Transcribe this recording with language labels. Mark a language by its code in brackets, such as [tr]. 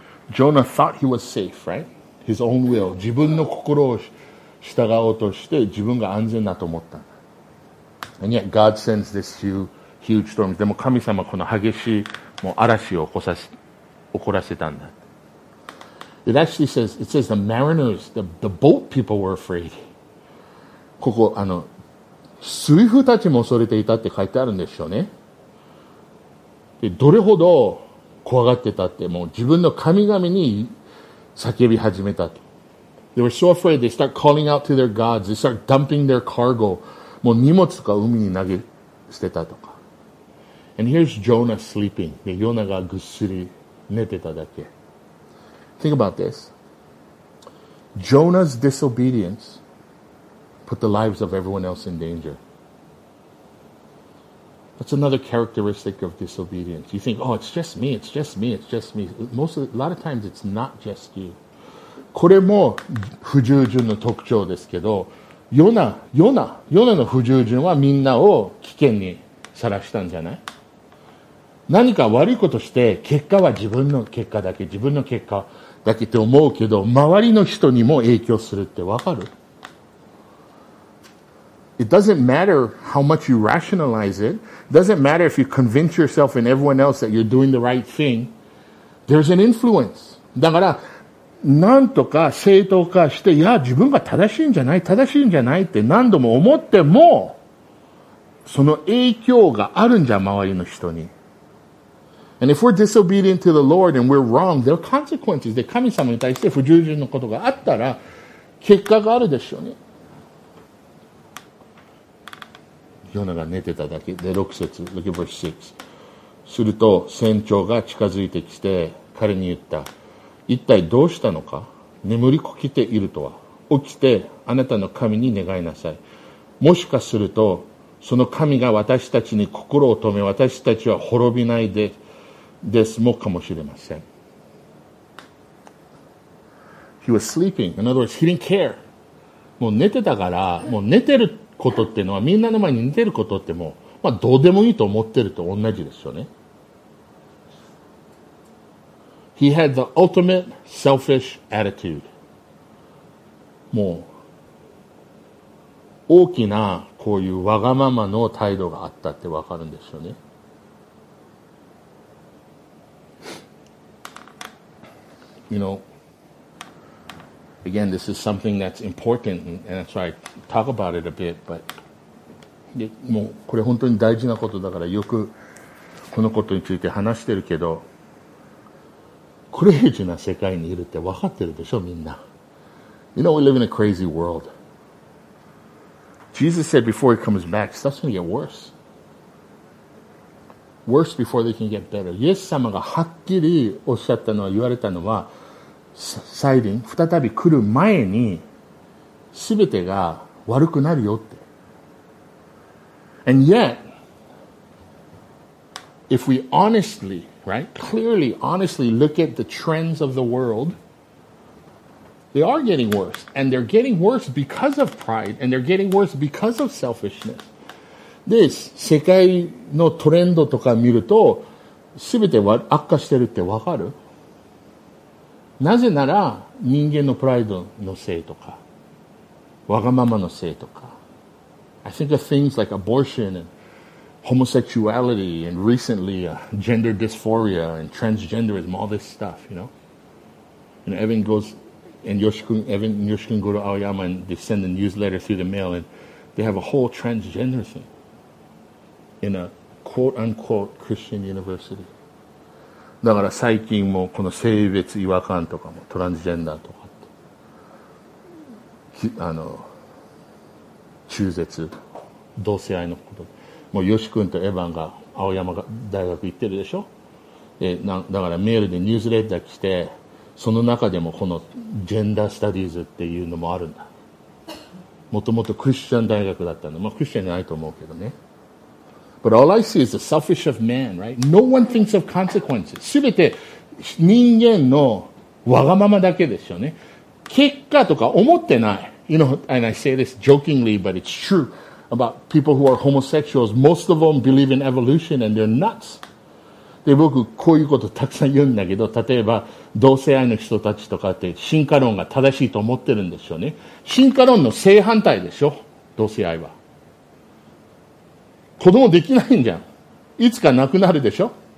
[en] Jonah thought he was safe, right? His own will. [ja] 自分の心を従おうとして自分が安全だと思った。 [en] And yet God sends this huge storm. [ja] でも神様はこの激しいもう嵐を起こらせたんだ。 [en] It actually says, it says the mariners, the boat people were afraid. [ja] ここ、水夫たちも恐れていたって書いてあるんでしょうね。で、どれほど怖がってたって、もう自分の神々に叫び始めたと。 [en] They were so afraid, they start calling out to their gods, they start dumping their cargo. [ja] もう荷物とか海に投げ捨てたとか。 [en] And here's Jonah sleeping. [ja] で、ヨナがぐっすり寝てただけ。 [en] Think about this. Jonah's disobedience put the lives of everyone else in danger. That's another characteristic of disobedience. You think, oh, it's just me. A lot of times it's not just you. [ja] これも不従順の特徴ですけど、ヨナの不従順はみんなを危険にさらしたんじゃない？何か悪いことして、結果は自分の結果だけって思うけど、周りの人にも影響するってわかる？ [en] It doesn't matter how much you rationalize it. Doesn't matter if you convince yourself and everyone else that you're doing the right thing. There's an influence. [ja] だからなんとか正当化して、いや自分が正しいんじゃない正しいんじゃないって何度も思っても、その影響があるんじゃ周りの人に。 [en] And if we're disobedient to the Lord and we're wrong, there are consequences. [ja] で、神様に対して不従順のことがあったら結果があるでしょうね。ヨナが寝てただけで、6節、 [en] Look at verse 6。 [ja] すると船長が近づいてきて彼に言った。一体どうしたのか、眠りこきているとは。起きてあなたの神に願いなさい。もしかするとその神が私たちに心を止め、私たちは滅びないでですもかもしれません。 [en] He was sleeping. In other words, he didn't care. [ja] もう寝てたから、もう寝てることっていうのは、みんなの前に寝てることってもう、まあ、どうでもいいと思ってると同じですよね。 [en] He had the ultimate selfish attitude. [ja] もう大きなこういうわがままの態度があったってわかるんですよね。 [en] You know, again, this is something that's important, and that's why I talk about it a bit. But [ja] もうこれ本当に大事なことだからよくこのことについて話してるけど。クレイジーな世界にいるって分かってるでしょみんな。 [en] You know, we live in a crazy world. Jesus said before he comes back, stuff's going to get worse. Worse before they can get better. [ja] イエス様がはっきりおっしゃったのは、言われたのは、再臨、再び来る前に、すべてが悪くなるよって。 [en] And yet, if we honestly,Right? Clearly, honestly, look at the trends of the world. They are getting worse. And they're getting worse because of pride. And they're getting worse because of selfishness. [ja] This, 世界のトレンドとか見ると、すべて悪化してるってわかる？なぜなら、人間のプライドのせいとか、わがままのせいとか。 [en] I think of things like abortion andHomosexuality and recently gender dysphoria and transgenderism, all this stuff, you know. And Evan goes, and Yoshi-kun go to Aoyama and they send a newsletter through the mail and they have a whole transgender thing in a quote unquote Christian university. [ja] だから最近もこの性別違和感とかもトランスジェンダーとかって、中絶、同性愛のこと。もうヨシ君とエヴァンが青山が大学行ってるでしょ。だからメールでニュースレター来て、その中でもこのジェンダースタディーズっていうのもあるんだ。もともとクリスチャン大学だったの、まあクリスチャンじゃないと思うけどね。 [en] But all I see is the selfish of man, right? No one thinks of consequences. [ja] すべて人間のわがままだけですよね。結果とか思ってない。 [en] You know, and I say this jokingly, but it's true. About people who are homosexuals, most of them believe in evolution and they're nuts. [ja] で、僕こういうことたくさん言うんだけど、例えば同性愛の人たちとかって進化論が正しいと思ってるんでしょうね。進化論の正反対でしょ、同性愛は。子供できないんじゃん。いつか亡くなるでしょ。